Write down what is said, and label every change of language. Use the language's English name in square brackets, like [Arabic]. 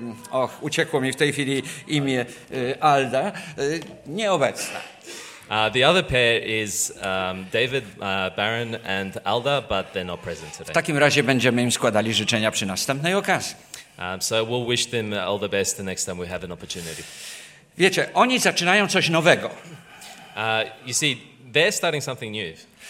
[Polish] Och, uciekło mi w tej chwili imię Alda. Nieobecna. [English] The other pair is David Baran and Alda, but they're not present today. [Polish] W takim razie będziemy im składali życzenia przy następnej okazji. [English] So we'll wish them all the best the next time we have an opportunity. [Polish] Wiecie, oni zaczynają coś nowego. [English] You see, they're starting something new.